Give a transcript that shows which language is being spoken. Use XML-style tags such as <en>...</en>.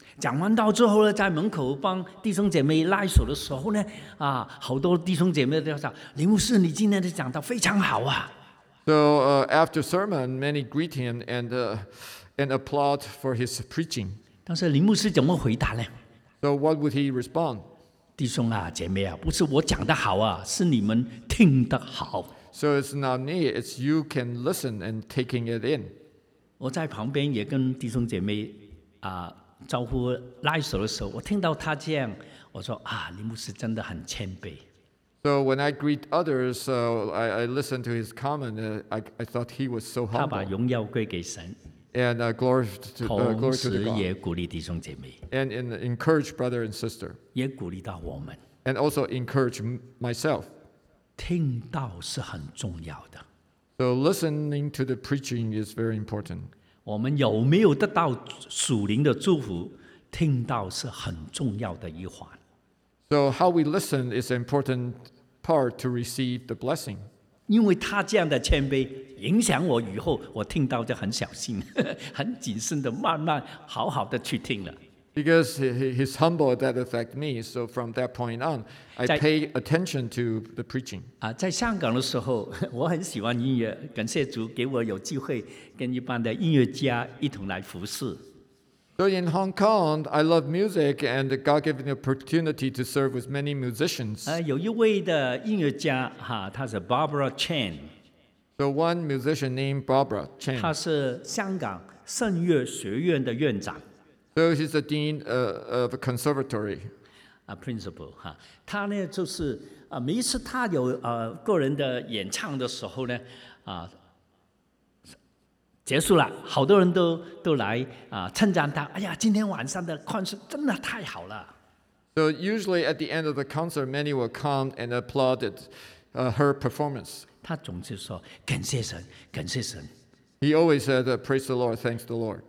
<zh>讲完道之后呢在门口帮弟兄姐妹拉手的时候呢、啊、好多弟兄姐妹都说林牧师你今天的讲道非常好啊。</zh> <en>So after sermon, many greet him and applaud for his preaching.</en> <zh>但是林牧师怎么回答呢</zh> <en>?So what would he respond?</en> <zh>弟兄啊姐妹啊不是我讲的好啊是你们听得好。</zh> <en>So it's not me, it's you can listen and taking it in.</en> <zh>我在旁边也跟弟兄姐妹啊招呼拉手的时候，我听到他这样，我说啊，林牧师真的很谦卑。</zh> <en>So when I greet others, I listened to his comment. I thought he was so humble.</en> <zh>他把荣耀归给神。</zh> <en>And glory to God.</en> <zh>同时也鼓励弟兄姐妹。</zh> <en>And encourage brother and sister.</en> <zh>也鼓励到我们。</zh> <en>And also encourage myself.</en> <zh>听到是很重要的。</zh> <en>So listening to the preaching is very important.</en> <zh>我们有没有得到属灵的祝福听到是很重要的一环。</zh> <en>So how we listen is an important part to receive the blessing.</en> <zh>因为他这样的谦卑影响我以后我听到就很小心很谨慎的慢慢好好的去听了。</zh> <en>Because he's humble, that affect me. So from that point on, I pay attention to the preaching.</en> <zh>在香港的时候，我很喜欢音乐，感谢主给我有机会跟一般的音乐家一同来服侍。</zh> <en>So in Hong Kong, I love music, and God gave me the opportunity to serve with many musicians.</en> <zh>有一位的音乐家哈，他是 Barbara Chan.</zh> <en>So one musician named Barbara Chan.</en> <zh>他是香港圣乐学院的院长。</zh> <en>So he's the dean of a conservatory. A principal, ha.</en> <zh>他呢就是每一次他有个人的演唱的时候呢，结束了，好多人都来称赞他。哎呀，今天晚上的 concert 真的太好了。</zh> <en>So usually at the end of the concert, many will come and applauded her performance.</en> <zh>他总是说感谢神，感谢神。</zh> <en>He always said, "Praise the Lord, thanks the Lord."</en>